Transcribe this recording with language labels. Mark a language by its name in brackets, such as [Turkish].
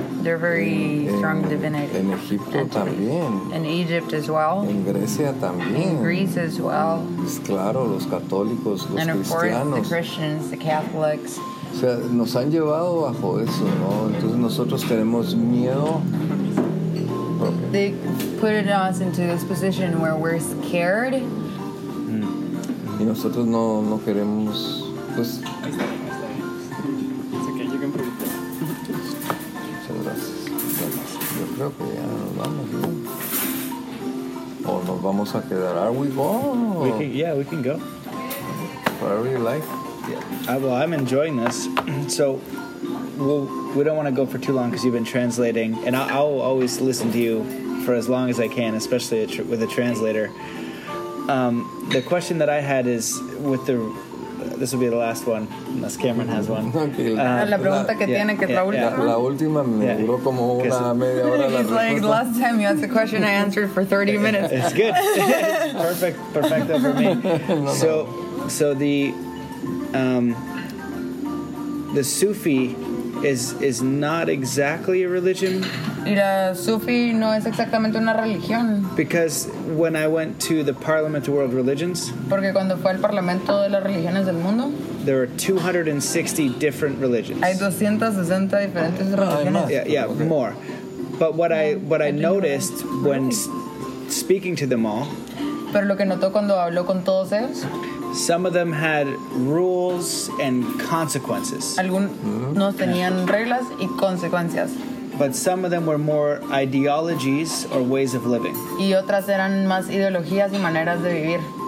[English] They're very strong divinities. [Spanish] En Egipto también. [English] In Egypt as well. [Spanish] En Grecia también. [English] In Greece as well. [Spanish] Pues claro, los católicos, los cristianos. [English] And of course, the Christians, the Catholics. [Spanish] O sea, nos han llevado bajo eso, ¿no? Entonces nosotros tenemos miedo. [English] They put us into this position where we're scared. [Spanish] Y nosotros no queremos, pues... Ahí está, ahí está. ok, [English] yo can predict. [Spanish] Muchas gracias. Yo creo que ya nos vamos, ¿no? O nos vamos a quedar. [English] Are we gone? We can go. Whatever you like. Yeah. Well, I'm enjoying this. So, we don't want to go for too long because you've been translating, and I'll always listen to you for as long as I can, especially with a translator. The question that I had is with the. This will be the last one, unless Cameron has one. [Spanish] La pregunta que tiene que la última me duró como una media hora. [English] He's like, last time you asked a question, I answered for 30 minutes. It's good. Perfect, perfecto for me. So the. The Sufi is not exactly a religion. [Spanish] Mira, Sufi no es exactamente una religión. [English] Because when I went to the Parliament of World Religions, [Spanish] porque cuando fue al Parlamento de las Religiones del Mundo, [English] there are 260 different religions. [Spanish] Hay 260 diferentes religiones. [English] Yeah, okay. More. But what I noticed when speaking to them all, [Spanish] pero lo que notó cuando habló con todos ellos. [English] Some of them had rules and consequences. [Spanish] Algunos tenían reglas y consecuencias. [English] But some of them were more ideologies or ways of living. [Spanish] Y otras eran más ideologías y maneras de vivir.